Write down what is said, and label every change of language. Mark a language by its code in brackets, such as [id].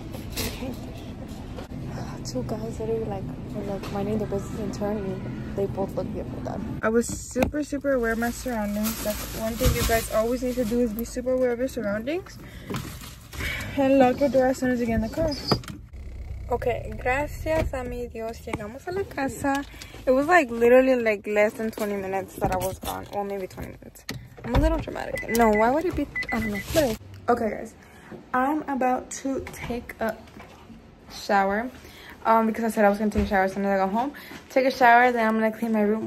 [en] Okay. Two guys literally like minding their business and turning. They both look beautiful done. I was super aware of my surroundings. That's one thing you guys always need to do, is be super aware of your surroundings and lock your door as soon as you get in the car. [es] Okay, gracias a mi Dios, llegamos a la casa. [en] It was like literally like less than 20 minutes that I was gone. Well, maybe 20 minutes. I'm a little dramatic. No, why would it be? I don't know. Literally. Okay, guys, I'm about to take a shower. Because I said I was gonna take a shower as soon as I go home. Take a shower, then I'm gonna clean my room.